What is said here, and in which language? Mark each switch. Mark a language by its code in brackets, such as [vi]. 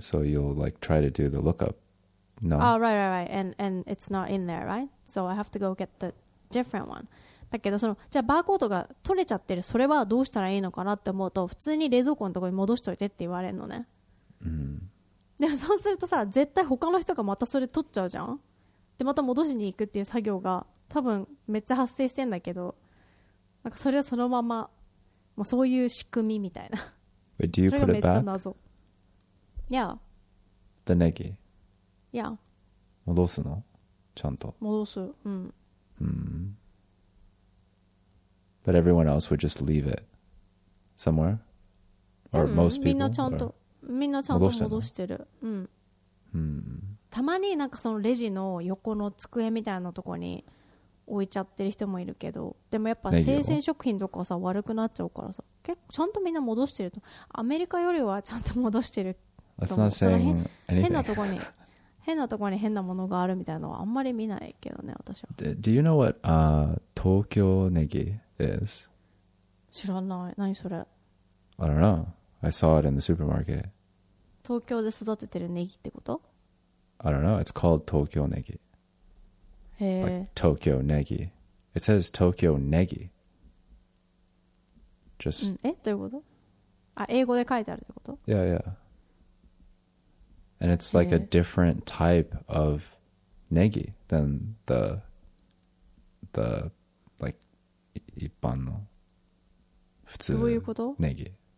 [en] So you'll like try to do the lookup. No. Oh, right, right, right. And it's not in there, right? So I have to go get the different one. [ja] だけどそのじゃあバーコードが取れちゃってる、それはどうしたらいいのかなって思うと、普通に冷蔵庫のところに戻しといてって言われるのね。でもそうするとさ、絶対他の人がまたそれ取っちゃうじゃん。でまた戻しに行くっていう作業が多分めっちゃ発生してんだけど、なんかそれはそのまま、まあ、そういう仕組みみたいな。 [en] Wait, do you put it back? Yeah. The neki? Yeah. [ja] 戻すの？ちゃんと。戻す。うん。 [en] But everyone else would just leave it somewhere? Or most people? [ja] みんなちゃんと。みんなちゃんと戻してる。うん。たまになんかそのレジの横の机みたいなとこに置いちゃってる人もいるけど、でもやっぱ生鮮食品とかさ悪くなっちゃうからさ、結構ちゃんとみんな戻してると、アメリカよりはちゃんと戻してると思う。 [en] That's not saying anything. [ja] 変なとこに変なとこに変なものがあるみたいなのはあんまり見ないけどね、私は。 [en] Do you know what 東京ネギ is? [ja] 知らない。何それ。 [en] I don't know. I saw it in the supermarket. [ja] 東京で育ててるネギってこと? [en] I don't know. It's called Tokyo Negi. [ja] へえ。 [en] Like Tokyo Negi. It says Tokyo Negi. Just... [ja] うん、え?どういうこと? あ、英語で書いてあるってこと? [en] Yeah, yeah. And it's like a different type of negi than the like [ja] 一般の普通ネギ。どういうこと? ネギ。